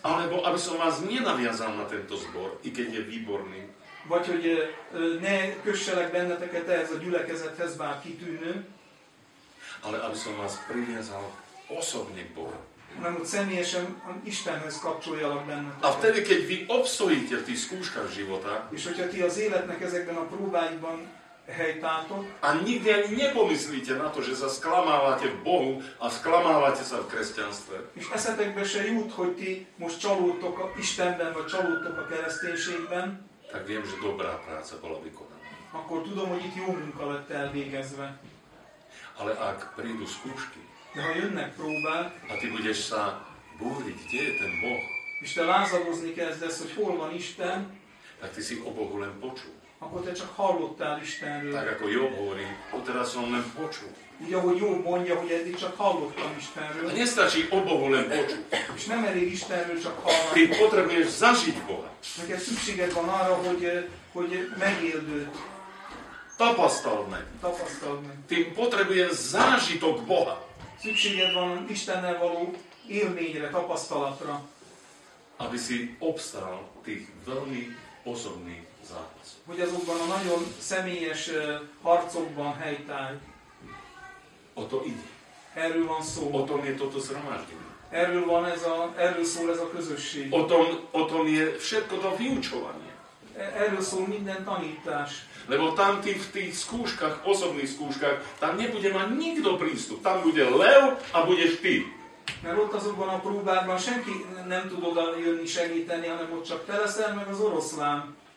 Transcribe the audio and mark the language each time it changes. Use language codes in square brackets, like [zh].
[sk] Alebo aby som vás nenaviazal na tento zbor, i keď je výborný. [hu] Vagy hogy ne kösselek benneteket ehhez a gyülekezethez, bár kitűnő. [sk] Ale aby som vás priviazal osobne k Bohu. [hu] Hanem hogy személyesen Istenhez kapcsoljalak benneteket. [sk] A vtedy, keď vy obstojíte v tých skúškach života, [hu] és hogyha ti az életnek ezekben a próbáikban [sk] Hej, táto. A nikdy ani nepomyslíte na to, že sa sklamávate v Bohu a sklamávate sa v kresťanstve. [hu] És eszetekbe se jut, hogy ti most csalódtok a Istenben, vagy csalódtok a kereszténységben. [sk] Tak viem, že dobrá práca bola vykonaná. [hu] Akkor tudom, hogy itt jó munka lett elvégezve. [sk] Ale ak prídu skúšky. [hu] De ha jönnek próbák. [sk] A ty budeš sa búriť, kde je ten Boh. [hu] És te lázadozni kezdesz, hogy hol van Isten. [sk] Tak ty si o Bohu len počul. [hu] Akkor te csak hallottál Istenről. [sk] Tak ako Jobb hovorí, odteraz som len počul. [hu] Úgy, ahogy Jobb mondja, hogy eddig csak hallottam Istenről. [sk] A nestačí o Bohu len počul. [hu] És nem elég Istenről csak hallani. [sk] Ty potrebuješ zažiť Boha. [hu] Neked szükséged van arra, hogy megéld őt. Tapasztald meg. Tapasztald meg. [sk] Ty potrebuješ zážitok Boha. [hu] Szükséged van Istennel való élményre, tapasztalatra. [sk] Aby si obstál tých veľmi osobných zápasov. [hu] Hogy azokban a nagyon személyes harcokban helytállj. [sk] O to ide. [hu] Erről van szó. [sk] O tom je toto zhromaždenie. [hu] Erről van ez a, erről szól ez a közösség. [sk] O tom je všetko to vyučovanie. [hu] Erről szól minden tanítás. [sk] Lebo tam tých skúškach, osobných skúškach, tam nebude mať nikto prístup. Tam bude Leo a budeš ty. [hu] Mert ott azokban a próbákban senki nem tud oda jönni segíteni, hanem ott csak te leszel, meg az oroszlán.